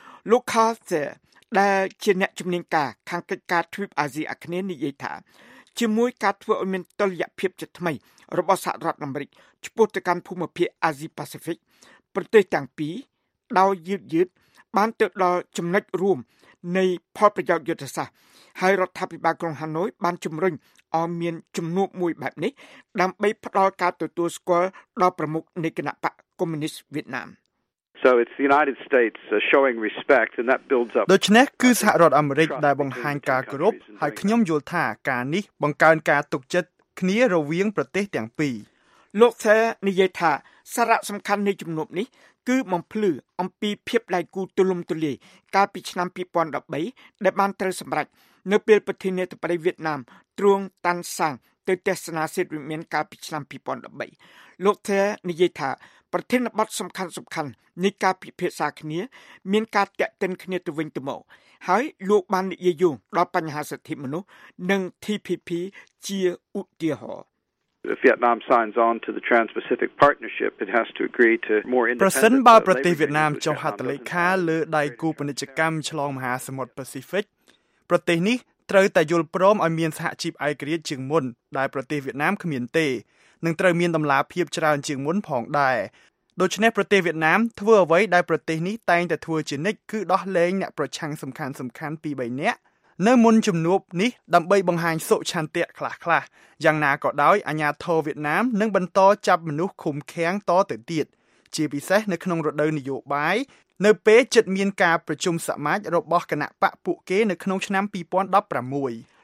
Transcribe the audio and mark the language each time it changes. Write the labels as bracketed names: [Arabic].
[Khmer] លោកខាសេដែលជាអ្នកជំនាញការខាងកិច្ចការទ្វីបអាស៊ីអាគ្នេយ៍និយាយថាជាមួយការធ្វើឲ្យមានតុល្យភាពជាថ្មីរបស់សហរដ្ឋអាមេរិកឆ្ពោះទៅកាន់ភូមិភាគអាស៊ីប៉ាស៊ីហ្វិកប្រទេសទាំងពីរដោយយឺតៗបានទៅដល់ចំណុចរួមនៃផលប្រយោជន៍យុទ្ធសាស្ត្រហើយរដ្ឋាភិបាលក្រុងហាណូយបានជំរុញឲ្យមានជំនួបមួយបែបនេះដើម្បីផ្តល់ការទទួលស្គាល់ដល់ប្រមុខនៃគណបក្សកុម្មុយនីស្តវៀតណាម [English] So it's the United States showing respect and that builds up. [Khmer] ដូច្នេះគឺសហរដ្ឋអាមេរិកដែលបង្ហាញការគោរពហើយខ្ញុំយល់ថាការនេះបង្កើនការទុកចិត្តគ្នារវាងប្រទេសទាំងពីរ ។លោកថានិយាយថាសារៈសំខាន់នៃជំនួបនេះគឺបំភ្លឺអំពីភាពដៃគូទូលំទូលាយកាលពីឆ្នាំ2013ដែលបានត្រូវសម្រេចនៅពេលប្រធានាធិបតីវៀតណាមទ្រង់តាន់សាងទៅទស្សនាសិទ្ធិវិមានកាលពីឆ្នាំ2013។លោកថានិយាយថាប្រធានបទសំខាន់ៗនៃការពិភាក្សាគ្នាមានការតាក់ទិនគ្នាទៅវិញទៅមកហើយលោកបាននិយាយយោងដល់បញ្ហាសិទ្ធិមនុស្សនិង TPP ជាឧទាហរណ៍ [English] Vietnam signs on to the Trans-Pacific Partnership it has to agree to more independent [Khmer] ប្រសិនបើប្រទេសវៀតណាមចុះហត្ថលេខាលើដៃគូពាណិជ្ជកម្មឆ្លងមហាសមុទ្រ Pacific ប្រទេសនេះត្រូវតែយល់ព្រមឲ្យមានសហជីពឯករាជ្យជាងមុនដែលប្រទេសវៀតណាមគ្មានទេនឹងត្រូវមានដំណាភៀបច្រើនជាងមុនផងដែរ ដូច្នេះប្រទេសវៀតណាមធ្វើអ្វីដែលប្រទេសនេះតែងតែធ្វើជានិច្ចគឺដោះលែងអ្នកប្រឆាំងសំខាន់ៗ 2-3 នាក់នៅមុនជំនួបនេះដើម្បីបង្ហាញសុឆន្ទៈខ្លះៗយ៉ាងណាក៏ដោយអាជ្ញាធរវៀតណាមនឹងបន្តចាប់មនុស្សឃុំឃាំងតទៅទៀតជាពិសេសនៅក្នុងរដូវនយោបាយនៅពេលជិតមានការប្រជុំសមាជរបស់គណៈបកពួកគេនៅក្នុងឆ្នាំ2016